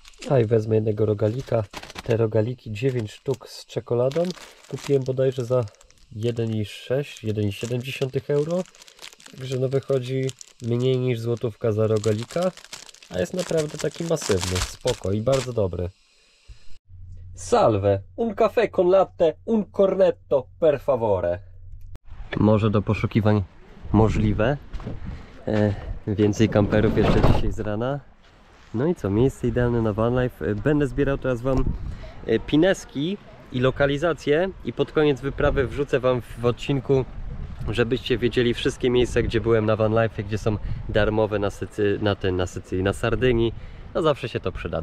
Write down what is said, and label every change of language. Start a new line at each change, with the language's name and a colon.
Polish: A i wezmę jednego rogalika. Te rogaliki 9 sztuk z czekoladą kupiłem bodajże za 1,7 euro, także no wychodzi mniej niż złotówka za rogalika, a jest naprawdę taki masywny, spoko i bardzo dobry.
Italian: Salve, un caffè con latte, un cornetto, per favore.
Polish: Może do poszukiwań możliwe. Więcej kamperów jeszcze dzisiaj z rana. No i co, miejsce idealne na van life. Będę zbierał teraz wam pineski i lokalizację i pod koniec wyprawy wrzucę wam w odcinku, żebyście wiedzieli wszystkie miejsca, gdzie byłem na van life, gdzie są darmowe na Sycylii, na Sardynii. No zawsze się to przyda.